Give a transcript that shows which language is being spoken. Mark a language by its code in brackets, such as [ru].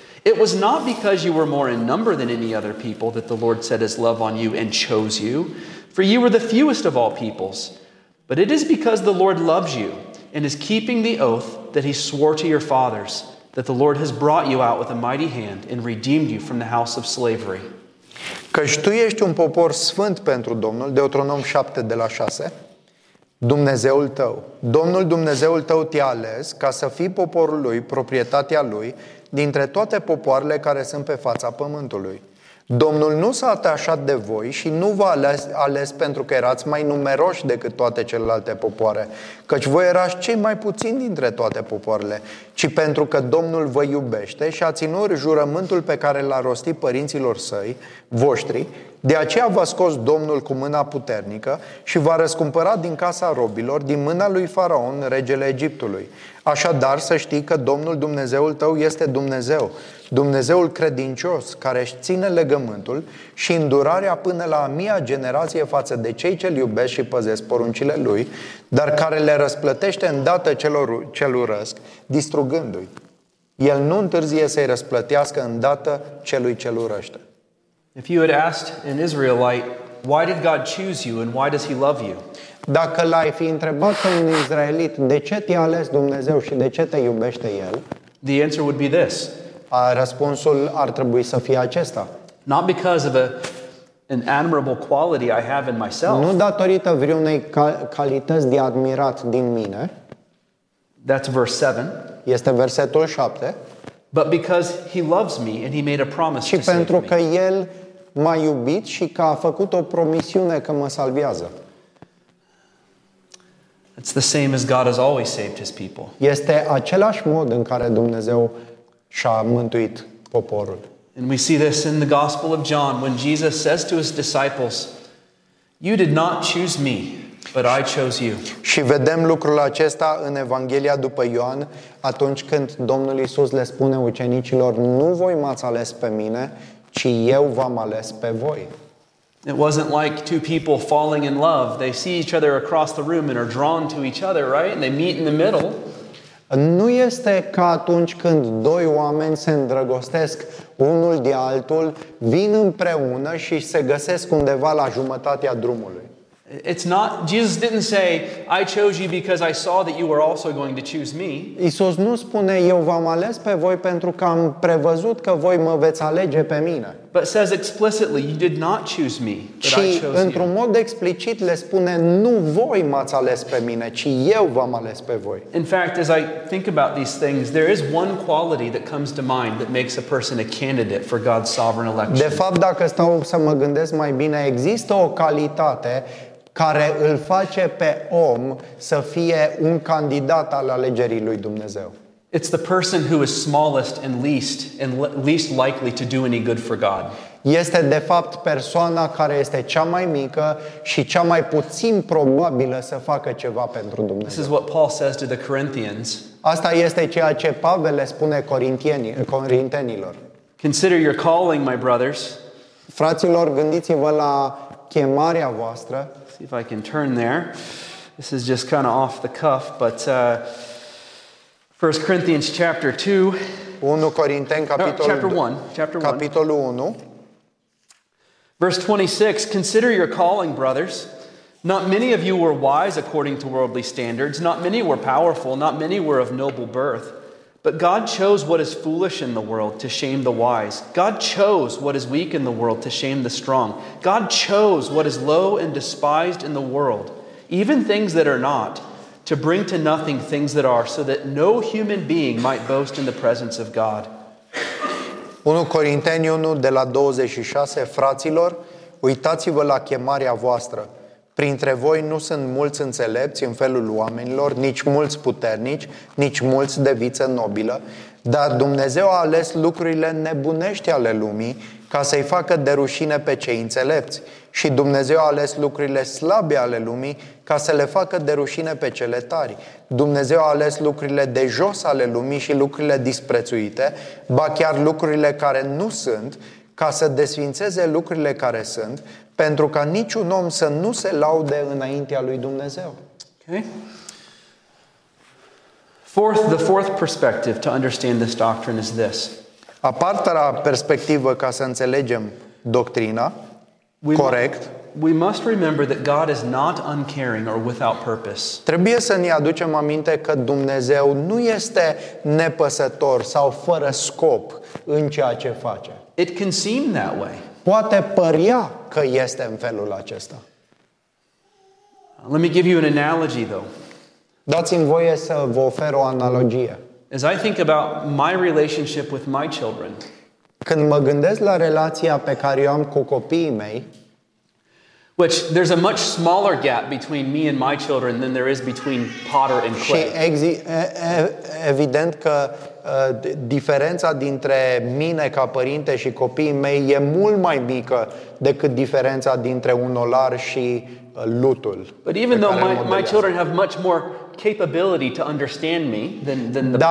[en] It was not because you were more in number than any other people that the Lord set his love on you and chose you, for you were the fewest of all peoples. But it is because the Lord loves you and is keeping the oath that he swore to your fathers that the Lord has brought you out with a mighty hand and redeemed you from the house of slavery. [ro] Căci tu ești un popor sfânt pentru Domnul, Deuteronom 7 de la 6. Dumnezeul tău, Domnul Dumnezeul tău te-a ales ca să fii poporul lui, proprietatea lui, dintre toate popoarele care sunt pe fața pământului. Domnul nu s-a atașat de voi și nu v-a ales pentru că erați mai numeroși decât toate celelalte popoare, căci voi erați cei mai puțini dintre toate popoarele, ci pentru că Domnul vă iubește și a ținut jurământul pe care l-a rostit părinților săi, voștri, de aceea v-a scos Domnul cu mâna puternică și v-a răscumpărat din casa robilor, din mâna lui Faraon, regele Egiptului. Așadar, să știi că Domnul Dumnezeul tău este Dumnezeu, Dumnezeul credincios, care își ține legământul și îndurarea până la a mia generație față de cei ce-L iubesc și păzesc poruncile Lui, dar care le răsplătește îndată celor ce urăsc, distrugându-i. El nu întârzie să-i răsplătească îndată celui ce-L urăște. [en] If you had asked an Israelite, why did God choose you and why does he love you? [ro] Dacă l-ai fi întrebat pe un israelit, de ce te-a ales Dumnezeu și de ce te iubește el? [en] The answer would be this. [ro] Răspunsul ar trebui să fie acesta. [en] Not because of an admirable quality I have in myself. [ro] Nu datorită vreunei calități de admirat din mine. [en] That's verse 7. [ro] Este versetul 7. [en] But because he loves me and he made a promise to save me. [ro] Și pentru că el m-a iubit și că a făcut o promisiune că mă salvează. [en] It's the same as God has always saved his people. [ro] Este același mod în care Dumnezeu și-a mântuit poporul. [en] And we see this in the Gospel of John when Jesus says to his disciples, "You did not choose me, but I chose you." [ro] Și vedem lucrul acesta în Evanghelia după Ioan, atunci când Domnul Iisus le spune ucenicilor, nu voi m-ați ales pe mine, ci eu v-am ales pe voi. [en] It wasn't like two people falling in love. They see each other across the room and are drawn to each other, right? And they meet in the middle. [ro] Nu este ca atunci când doi oameni se îndrăgostesc unul de altul, vin împreună și se găsesc undeva la jumătatea drumului. [en] It's not, Jesus didn't say, I chose you because I saw that you were also going to choose me. [ro] Iisus nu spune, eu v-am ales pe voi pentru că am prevăzut că voi mă veți alege pe mine. [en] But says explicitly, you did not choose me, but I chose you. [ro] Într-un mod explicit le spune, nu voi m-ați ales pe mine, ci eu v-am ales pe voi. [en] In fact, as I think about these things, there is one quality that comes to mind that makes a person a candidate for God's sovereign election. [ro] De fapt, dacă stau să mă gândesc mai bine, există o calitate care îl face pe om să fie un candidat al alegerii lui Dumnezeu. [en] It's the person who is smallest and least likely to do any good for God. [ro] Este de fapt persoana care este cea mai mică și cea mai puțin probabilă să facă ceva pentru Dumnezeu. [en] This is what Paul says to the Corinthians. [ro] Asta este ceea ce Pavel le spune corintenilor. [en] Consider your calling, my brothers. [ro] Fraților, gândiți-vă la chemarea voastră. [en] Let's see if I can turn there. This is just kind of off the cuff, but 1 Corinthians chapter 2. [ro] 1 Corinteni capitolul 2. [en] Chapter 1. Chapter 1. [ro] Capitolul 1. [en] Verse 26, consider your calling, brothers. Not many of you were wise according to worldly standards. Not many were powerful. Not many were of noble birth. But God chose what is foolish in the world to shame the wise. God chose what is weak in the world to shame the strong. God chose what is low and despised in the world, even things that are not, to bring to nothing things that are, so that no human being might boast in the presence of God. [ro] 1 Corinteni 1, de la 26, fraților, uitați-vă la chemarea voastră. Printre voi nu sunt mulți înțelepți în felul oamenilor, nici mulți puternici, nici mulți de viță nobilă, dar Dumnezeu a ales lucrurile nebunești ale lumii ca să-i facă de rușine pe cei înțelepți. Și Dumnezeu a ales lucrurile slabe ale lumii ca să le facă de rușine pe cele tari. Dumnezeu a ales lucrurile de jos ale lumii și lucrurile disprețuite, ba chiar lucrurile care nu sunt, ca să desfințeze lucrurile care sunt, pentru ca niciun om să nu se laude înaintea lui Dumnezeu. [en] Okay. The fourth perspective to understand this doctrine is this. [ro] A patra perspectivă ca să înțelegem doctrina corect. [en] We must remember that God is not uncaring or without purpose. [ro] Trebuie să ne aducem aminte că Dumnezeu nu este nepăsător sau fără scop în ceea ce face. [en] It can seem that way. [ro] Poate părea că este în felul acesta. [en] Let me give you an analogy though. [ro] Dați-mi voie să vă ofer o analogie. [en] As I think about my relationship with my children. [ro] Când mă gândesc la relația pe care o am cu copiii mei, [en] which there's a much smaller gap between me and my children than there is between potter and clay. [ro] Și evident că diferența dintre mine ca părinte și copiii mei e mult mai mică decât diferența dintre un olar și lutul. [en] But even though my children have much more capability to understand me than the